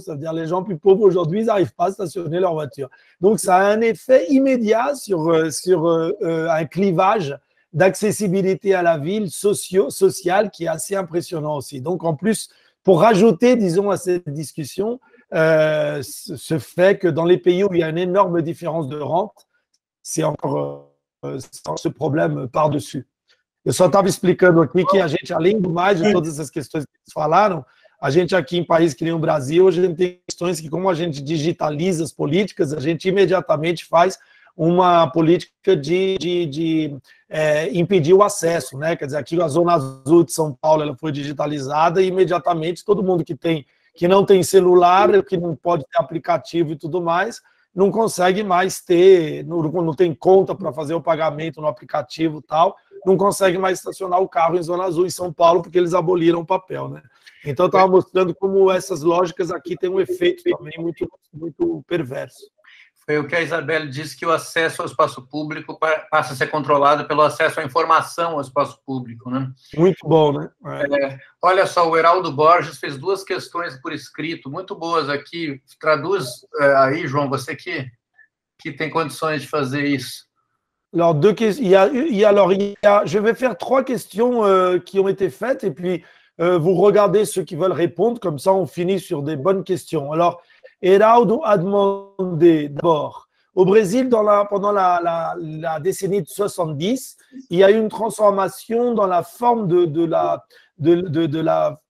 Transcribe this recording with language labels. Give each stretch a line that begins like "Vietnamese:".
French: C'est-à-dire les gens plus pauvres aujourd'hui, ils n'arrivent pas à stationner leur voiture. Donc, ça a un effet immédiat sur un clivage d'accessibilité à la ville sociale qui est assez impressionnant aussi. Donc, en plus, pour rajouter, disons, à cette discussion, ce fait que dans les pays où il y a une énorme différence de rente, c'est encore ce problème par-dessus.
Portuguese: Eu só estava explicando aqui que a gente, além do mais de todas essas questões que vocês falaram, a gente aqui em países que nem o Brasil, hoje a gente tem questões que como a gente digitaliza as políticas, a gente imediatamente faz uma política de impedir o acesso, né? Quer dizer, aqui a Zona Azul de São Paulo ela foi digitalizada e imediatamente todo mundo que não tem celular, que não pode ter aplicativo e tudo mais, não consegue mais ter, não tem conta para fazer o pagamento no aplicativo e tal, não consegue mais estacionar o carro em Zona Azul em São Paulo, porque eles aboliram o papel, né? Então, eu estava mostrando como essas lógicas aqui têm um efeito também muito, muito perverso. Foi o que a Isabel disse, que o acesso ao espaço público passa a ser controlado pelo acesso à informação ao espaço público, né? Muito bom, né? Olha só, o Heraldo Borges fez duas questões por escrito, muito boas aqui. Traduz aí, João, você que tem condições de fazer isso.
French: Alors, deux questions. Je vais faire trois questions qui ont été faites, et puis vous regardez ceux qui veulent répondre, comme ça on finit sur des bonnes questions. Alors, Heraldo a demandé d'abord, au Brésil, pendant la décennie de 70, il y a eu une transformation dans la forme de la